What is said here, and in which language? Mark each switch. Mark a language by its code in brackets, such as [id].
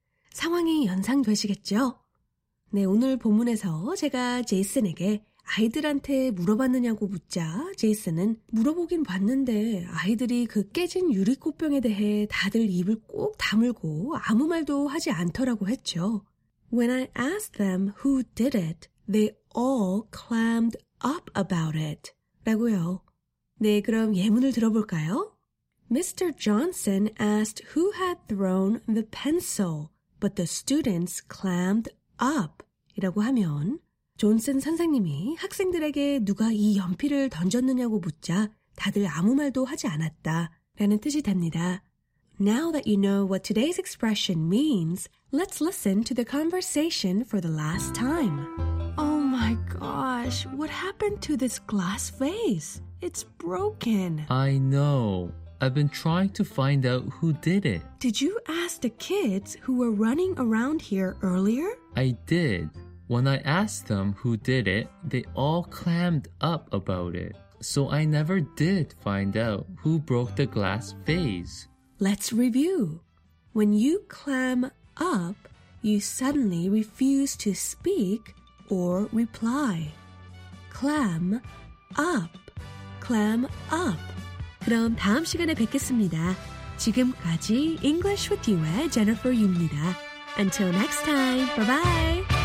[ko] 상황이 연상되시겠죠? 네, 오늘 본문에서 제가 제이슨에게 아이들한테 물어봤느냐고 묻자 제이슨은 물어보긴 봤는데 아이들이 그 깨진 유리꽃병에 대해 다들 입을 꼭 다물고 아무 말도 하지 않더라고 했죠. [en] When I asked them who did it, they all clammed up about it. [ko] 라고요. 네, 그럼 예문을 들어볼까요? [en] Mr. Johnson asked who had thrown the pencil, but the students clammed up. [ko] 이라고 하면 존슨 선생님이 학생들에게 누가 이 연필을 던졌느냐고 묻자 다들 아무 말도 하지 않았다 라는 뜻이 됩니다. [en] Now that you know what today's expression means, let's listen to the conversation for the last time. Oh my gosh, what happened to this glass vase? It's broken. I know. I've been trying to find out who did it. Did you ask the kids who were running around here earlier? I did. When I asked them who did it, they all clammed up about it. So I never did find out who broke the glass vase. Let's review. When you clam up, you suddenly refuse to speak or reply. Clam up. Clam up. [ko] 그럼 다음 시간에 뵙겠습니다. 지금까지 English with You의 Jennifer Yu입니다. [en] Until next time, bye-bye.